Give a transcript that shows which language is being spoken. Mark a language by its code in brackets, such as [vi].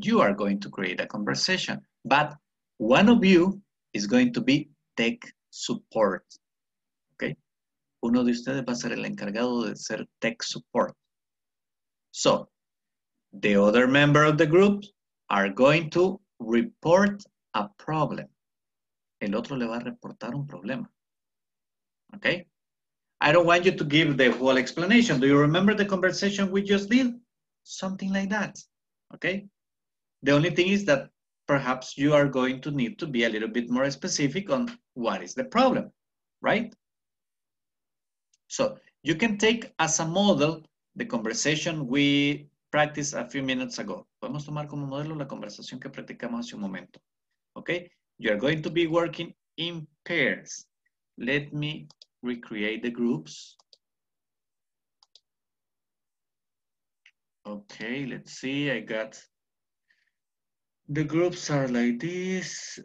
[en] You are going to create a conversation. But one of you is going to be tech support. Okay. [es] Uno de ustedes va a ser el encargado de ser [en] tech support. So, the other member of the group are going to report a problem. [es] El otro le va a reportar un problema. [en] Okay? I don't want you to give the whole explanation. Do you remember the conversation we just did? Something like that. Okay? The only thing is that perhaps you are going to need to be a little bit more specific on what is the problem, right? So you can take as a model the conversation we practiced a few minutes ago. [es] Podemos tomar como modelo la conversación que practicamos hace un momento. [en] Okay? You are going to be working in pairs. Let me recreate the groups. Okay, let's see. I got the groups are like this.